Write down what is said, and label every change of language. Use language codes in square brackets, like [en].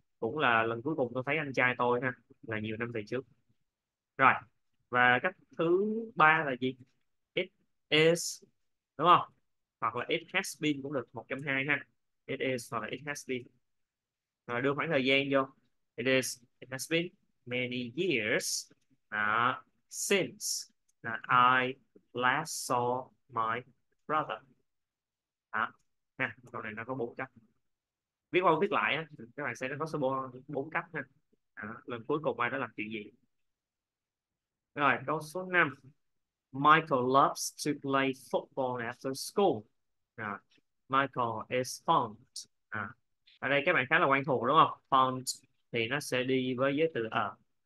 [vi] Cũng là lần cuối cùng tôi thấy anh trai tôi ha, là nhiều năm về trước. Rồi. Và cách thứ ba là gì? Is đúng không? Hoặc là [en] it has been [vi] cũng được, một trong hai ha. [en] It is [vi] hoặc là it has been. Rồi đưa khoảng thời gian vô. [en] It has been many years since I last saw my brother. [vi] Đó. Nè, câu này nó có bốn cách. Viết qua viết lại á, các bạn sẽ có số bốn cách ha. Đó. Lần cuối cùng ai đã làm chuyện gì? Rồi, câu số 5. [en] Michael loves to play football after school. Đó. Michael is fond. Đó. [vi] Ở đây các bạn khá là quen thuộc đúng không? Fond thì nó sẽ đi với giới từ ở.